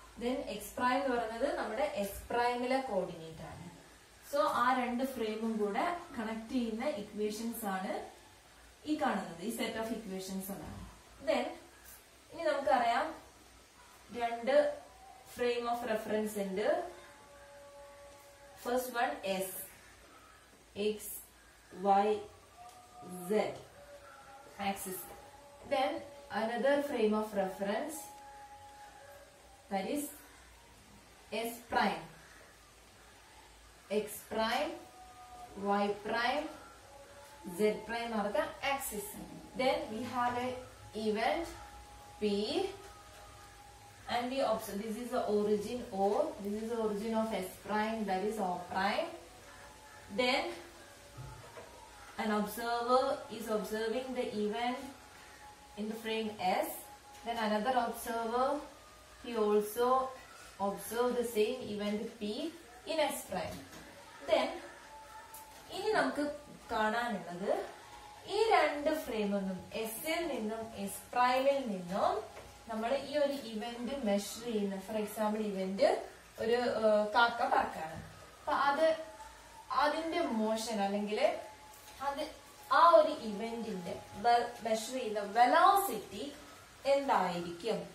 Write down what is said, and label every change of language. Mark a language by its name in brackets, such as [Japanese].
[Malayalam] Then X prime എന്ന് പറയുന്നത് നമ്മുടെ എക്സ് പ്രൈമിലെ കോർഡിനേറ്റ് ആണ്. സോ ആ രണ്ട് ഫ്രെയിമും കൂടെ കണക്ട് ചെയ്യുന്ന ഇക്വേഷൻസ് ആണ് ഈ കാണുന്നത്, ഈ സെറ്റ് ഓഫ് ഇക്വേഷൻസ് എന്നാണ്. ദെൻ ഇനി നമുക്കറിയാം രണ്ട് ഫ്രെയിം ഓഫ് റെഫറൻസ് ഉണ്ട്. [English] First one s x, y, z axis. Then another frame of reference, that is s prime. X prime, y prime, z prime are the axis. Then we have an event P and we observe, this is the origin O, this is the origin of s prime, that is O prime. Then an observer is observing the event in the frame S. Then another observer, he also observe the same event P in S prime. [Malayalam] Then ഇനി നമുക്ക് കാണാനുള്ളത് ഈ രണ്ട് ഫ്രെയിമിന്നും എസിൽ നിന്നും S പ്രൈമിൽ നിന്നും നമ്മൾ ഈ ഒരു ഇവന്റ് മെഷർ ചെയ്യുന്ന, ഫോർ എക്സാമ്പിൾ ഇവന്റ് ഒരു കാക്ക പറക്കാണ്, അപ്പൊ അത് അതിന്റെ മോഷൻ അല്ലെങ്കിൽ അത് ആ ഒരു ഇവന്റിന്റെ മെഷർ ചെയ്യുന്ന വെലോസിറ്റി എന്തായിരിക്കും?